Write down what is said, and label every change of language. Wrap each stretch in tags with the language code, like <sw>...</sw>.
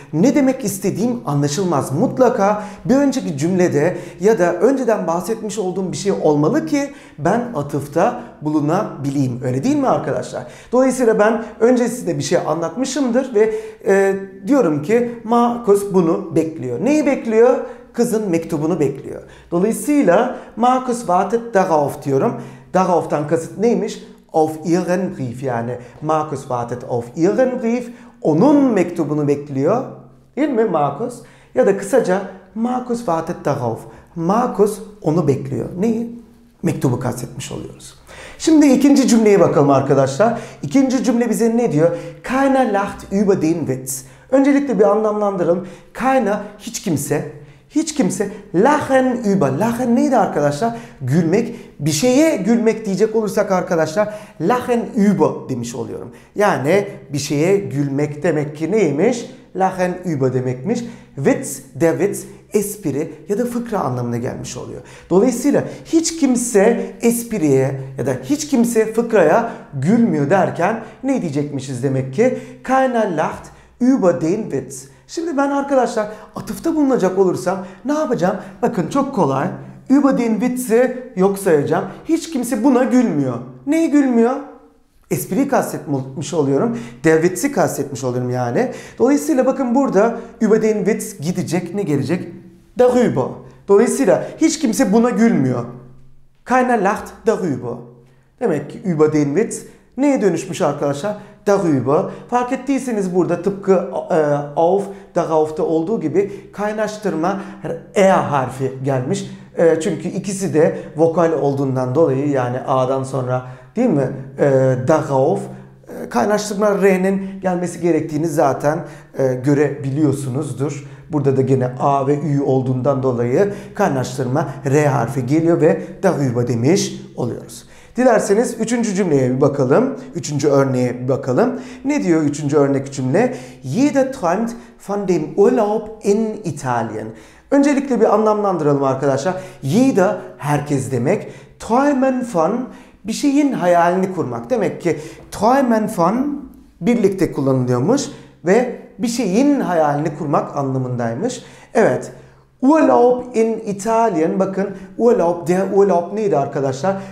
<tr>Ne demek istediğim anlaşılmaz. Mutlaka bir önceki cümlede ya da önceden bahsetmiş olduğum bir şey olmalı ki ben atıfta bulunabileyim. Öyle değil mi arkadaşlar? Dolayısıyla ben öncesinde bir şey anlatmışımdır ve diyorum ki Markus bunu bekliyor. Neyi bekliyor? Kızın mektubunu bekliyor. Dolayısıyla Markus wartet darauf diyorum. Darauf'tan kasıt neymiş?</tr> <de>Auf ihren Brief, yani Markus wartet auf ihren Brief.</de> <tr>Onun mektubunu bekliyor. Değil mi Markus? Ya da kısaca</tr> <de>Markus wartet darauf.</de> <tr>Markus onu bekliyor. Neyi? Mektubu kastetmiş oluyoruz. Şimdi ikinci cümleye bakalım arkadaşlar. İkinci cümle bize ne diyor?</tr> <de>Keiner lacht über den Witz.</de> <tr>Öncelikle bir anlamlandıralım. Keiner hiç kimse. Hiç kimse lachen über. Lachen neydi arkadaşlar? Gülmek. Bir şeye gülmek diyecek olursak arkadaşlar lachen über demiş oluyorum. Yani bir şeye gülmek demek ki neymiş? Lachen über demekmiş. Witz, der Witz, espri ya da fıkra anlamına gelmiş oluyor. Dolayısıyla hiç kimse espriye ya da hiç kimse fıkraya gülmüyor derken ne diyecekmişiz demek ki?</tr> <de>Keiner lacht über den Witz.</de> <tr>Şimdi ben arkadaşlar atıfta bulunacak olursam ne yapacağım? Bakın çok kolay. Über den Witz'i yok sayacağım. Hiç kimse buna gülmüyor. Neyi gülmüyor? Espriyi kastetmiş oluyorum. Der Witz'i kastetmiş oluyorum yani. Dolayısıyla bakın burada über den Witz gidecek. Ne gelecek? Darüber. Dolayısıyla hiç kimse buna gülmüyor.</tr> <de>Keiner lacht darüber.</de> <tr>Demek ki über den Witz neye dönüşmüş arkadaşlar? Darüber. Fark ettiyseniz burada tıpkı auf, darauf'ta olduğu gibi kaynaştırma e harfi gelmiş. Çünkü ikisi de vokal olduğundan dolayı yani a'dan sonra değil mi? Darauf. Kaynaştırma r'nin gelmesi gerektiğini zaten görebiliyorsunuzdur. Burada da gene a ve ü olduğundan dolayı kaynaştırma r harfi geliyor ve darüber demiş oluyoruz. Dilerseniz üçüncü cümleye bir bakalım. Üçüncü örneğe bir bakalım. Ne diyor üçüncü örnek cümle?</tr> <de>Jeder träumt von dem Urlaub in Italien.</de> <tr>Öncelikle bir anlamlandıralım arkadaşlar. Jeder herkes demek. Träumen von bir şeyin hayalini kurmak. Demek ki träumen von birlikte kullanılıyormuş ve bir şeyin hayalini kurmak anlamındaymış. Evet, Urlaub in Italien, bakın Urlaub, der Urlaub neydi arkadaşlar?</tr>